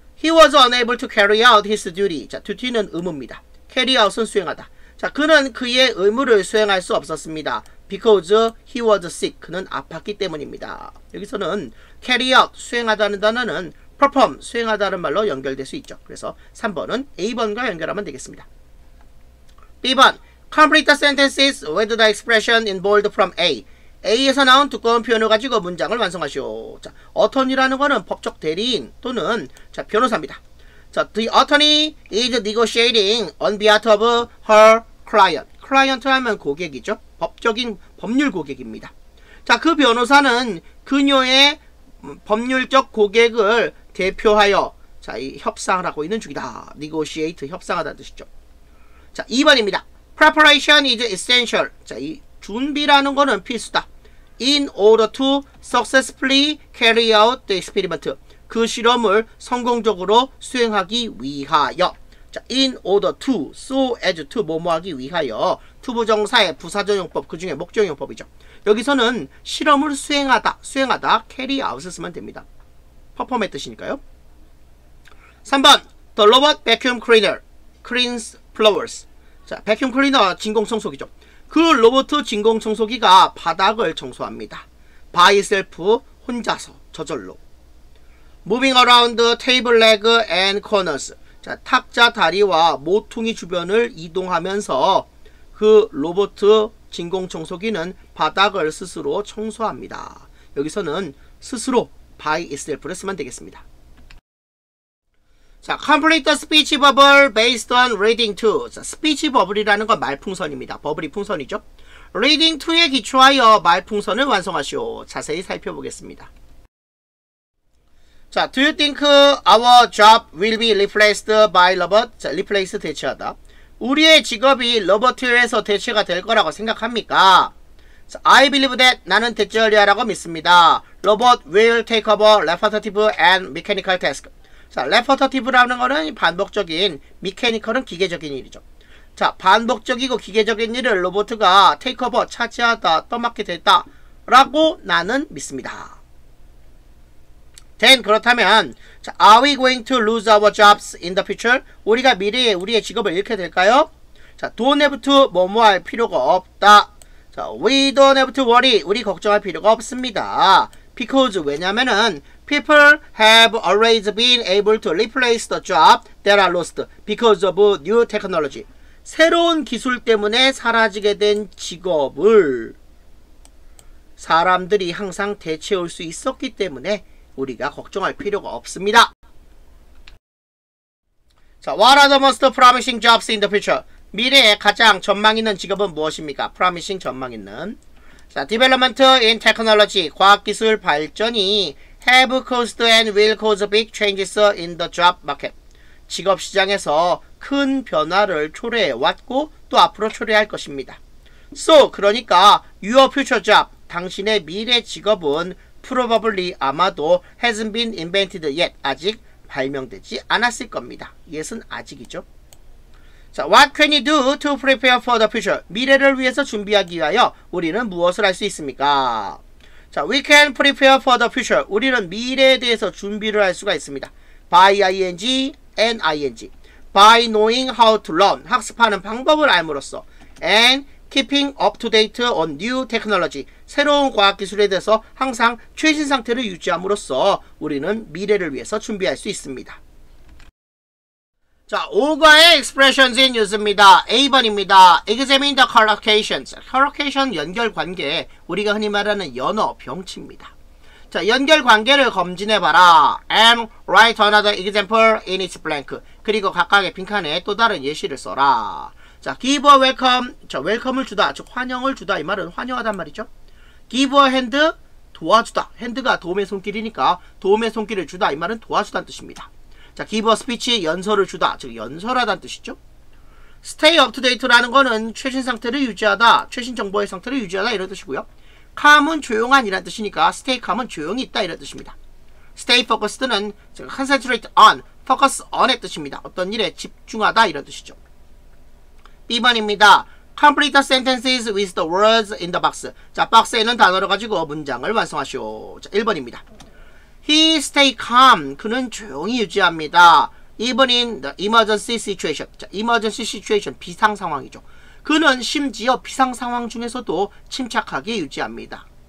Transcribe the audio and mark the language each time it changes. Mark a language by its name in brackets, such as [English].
[English] He was unable to carry out his duty. [Korean] 자, duty는 의무입니다. carry out은 수행하다. 자, 그는 그의 의무를 수행할 수 없었습니다. [English] Because he was sick. [Korean] 그는 아팠기 때문입니다. 여기서는 carry out, 수행하다는 단어는 perform, 수행하다는 말로 연결될 수 있죠. 그래서 3번은 A번과 연결하면 되겠습니다. B번, [English] complete the sentences with the expression in bold from A. [Korean] A에서 나온 두꺼운 표현을 가지고 문장을 완성하시오. 자, attorney라는 거는 법적 대리인 또는 자, 변호사입니다. [English] 자, the attorney is negotiating on behalf of her client. [Korean] client 하면 고객이죠. 법적인 법률 고객입니다. 자, 그 변호사는 그녀의 법률적 고객을 대표하여 자, 이 협상을 하고 있는 중이다. negotiate 협상하다는 뜻이죠. 자, 2번입니다. [English] preparation is essential. [Korean] 자, 이 준비라는 거는 필수다. [English] in order to successfully carry out the experiment. [Korean] 그 실험을 성공적으로 수행하기 위하여. 자, in order to, so as to, 뭐뭐하기 위하여. to 부정사의 부사전용법, 그 중에 목적용법이죠. 여기서는 실험을 수행하다, 수행하다, carry out 쓰면 됩니다. perform의 뜻이니까요. [English] 3번, the robot vacuum cleaner cleans flowers. [Korean] 자, vacuum cleaner, 진공청소기죠. 그 로봇 진공청소기가 바닥을 청소합니다. [English] by itself, [Korean] 혼자서, 저절로. [English] moving around table leg and corners. [Korean] 자, 탁자 다리와 모퉁이 주변을 이동하면서 그 로봇 진공청소기는 바닥을 스스로 청소합니다. 여기서는 스스로 by itself를 쓰면 되겠습니다. [English] 자, complete the speech bubble based on reading to. [Korean] 자, speech bubble이라는 건 말풍선입니다. 버블이 풍선이죠. reading to에 기초하여 말풍선을 완성하시오. 자세히 살펴보겠습니다. [English] 자, do you think our job will be replaced by robot? [Korean] 자, replace 대체하다. 우리의 직업이 로봇에서 대체가 될 거라고 생각합니까? 자, [English] I believe that [Korean] 나는 대체하리라고 믿습니다. [English] Robot will take over repetitive and mechanical tasks. [Korean] 자, repetitive라는 거는 반복적인, mechanical은 기계적인 일이죠. 자, 반복적이고 기계적인 일을 로봇가 take over, 차지하다, 떠맡게 됐다라고 나는 믿습니다. [English] Then, [Korean] 그렇다면, [English] 자, are we going to lose our jobs in the future? [Korean] 우리가 미래에 우리의 직업을 잃게 될까요? [English] 자, don't have to [Korean] 뭐뭐 할 필요가 없다. [English] 자, we don't have to worry. [Korean] 우리 걱정할 필요가 없습니다. [English] Because, [Korean] 왜냐면은, [English] people have always been able to replace the job that are lost because of new technology. [Korean] 새로운 기술 때문에 사라지게 된 직업을 사람들이 항상 대체할 수 있었기 때문에 우리가 걱정할 필요가 없습니다. [English] 자, what are the most promising jobs in the future? [Korean] 미래에 가장 전망 있는 직업은 무엇입니까? promising 전망 있는. [English] 자, development in technology, [Korean] 과학기술 발전이 [English] have caused and will cause big changes in the job market. [Korean] 직업 시장에서 큰 변화를 초래해 왔고 또 앞으로 초래할 것입니다. [English] So, [Korean] 그러니까 [English] your future job, [Korean] 당신의 미래 직업은 [English] probably [Korean] 아마도 [English] hasn't been invented yet. [Korean] 아직 발명되지 않았을 겁니다. yet은 아직이죠. [English] 자, what can you do to prepare for the future? [Korean] 미래를 위해서 준비하기 위하여 우리는 무엇을 할 수 있습니까? [English] 자, we can prepare for the future. [Korean] 우리는 미래에 대해서 준비를 할 수가 있습니다. [English] by ing and ing. by knowing how to learn. [Korean] 학습하는 방법을 알므로써. [English] and keeping up to date on new technology. [Korean] 새로운 과학기술에 대해서 항상 최신 상태를 유지함으로써 우리는 미래를 위해서 준비할 수 있습니다. 자, 5과의 expressions in use입니다. A번입니다. [English] examine the collocations. [Korean] collocation 연결관계, 우리가 흔히 말하는 연어, 병치입니다. 자, 연결관계를 검진해봐라. [English] and write another example in its blank. [Korean] 그리고 각각의 빈칸에 또 다른 예시를 써라. 자, [English] give a welcome. [Korean] 자, welcome을 주다, 즉 환영을 주다. 이 말은 환영하단 말이죠. [English] give a hand, [Korean] 도와주다. 핸드가 도움의 손길이니까 도움의 손길을 주다. 이 말은 도와주다는 뜻입니다. 자, give a speech, 연설을 주다. 즉 연설하다는 뜻이죠. stay up to date라는 거는 최신 상태를 유지하다, 최신 정보의 상태를 유지하다 이런 뜻이고요. calm은 조용한 이란 뜻이니까 stay calm은 조용히 있다 이런 뜻입니다. stay focused는 즉 concentrate on, focus on의 뜻입니다. 어떤 일에 집중하다 이런 뜻이죠. B번입니다. [English] complete the sentences with the words in the box. [Korean] 자, 박스에 있는 단어를 가지고 문장을 완성하시오. 자, 1번입니다. [English] He stay calm. [Korean] 그는 조용히 유지합니다. [English] Even in the emergency situation. 자, emergency situation. [Korean] 비상 상황이죠. 그는 심지어 비상 상황 중에서도 침착하게 유지합니다.